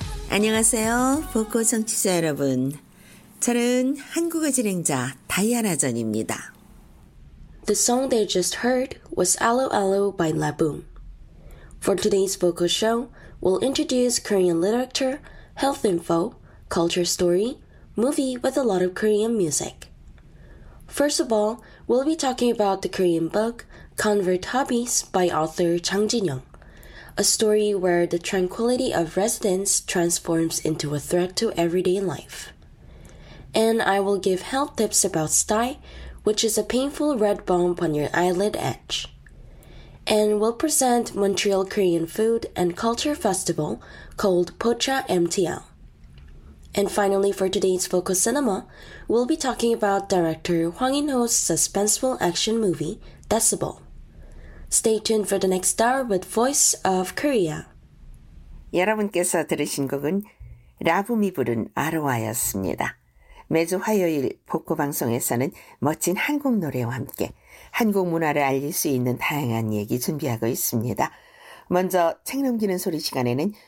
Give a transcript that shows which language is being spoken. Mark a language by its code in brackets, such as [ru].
[ko] 안녕하세요, 보코 청취자 여러분. 저는 한국어 진행자 다이아나 전입니다. [en] The song they just heard was Alo Alo by Laboom. For today's vocal show, we'll introduce Korean literature, health info, culture story, movie with a lot of Korean music. First of all, we'll be talking about the Korean book Convert Hobbies by author Jang Jin-young, a story where the tranquility of residence transforms into a threat to everyday life. And I will give health tips about sty, which is a painful red bump on your eyelid edge. And we'll present Montreal Korean food and culture festival called Pocha MTL. And finally, for today's Focus Cinema, we'll be talking about director Hwang In-ho's suspenseful action movie, Decibel. Stay tuned for the next hour with Voice of Korea. [ko] 여러분께서 들으신 곡은 라붐이 부른 아로아였습니다. 매주 화요일 복고 방송에서는 멋진 한국 노래와 함께 한국 문화를 알릴 수 있는 다양한 얘기 준비하고 있습니다. 먼저 책 넘기는 소리 시간에는